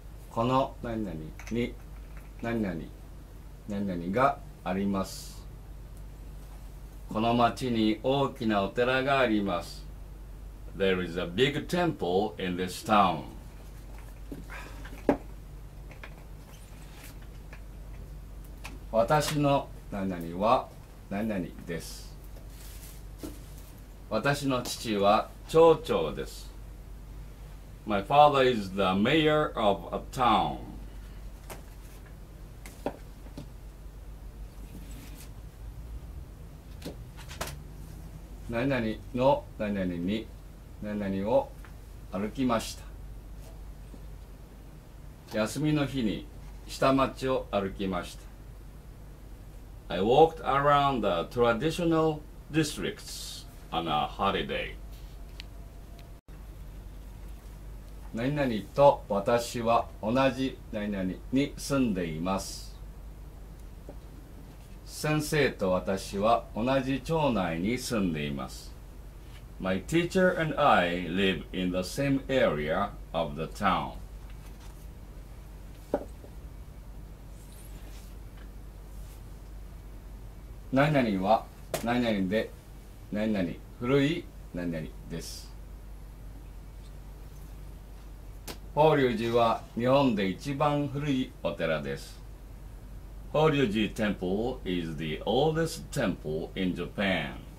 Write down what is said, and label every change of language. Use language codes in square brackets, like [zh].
[ja] この何々に何々何々があります。この町に大きなお寺があります。 [en] There is a big temple in this town. [ja] 私の何々は何々です。私の父は町長です。 [en] My father is the mayor of a town. [ja] 何々の何々に何々を歩きました。休みの日に下町を歩きました。 [en] I walked around the traditional districts on a holiday. [ja] 何々と私は同じ何々に住んでいます。先生と私は同じ町内に住んでいます。 [en] My teacher and I live in the same area of the town. [ja] 何々は何々で、何々古い何々です。法隆寺は日本で一番古いお寺です。 [en] 法隆寺 temple is the oldest temple in Japan.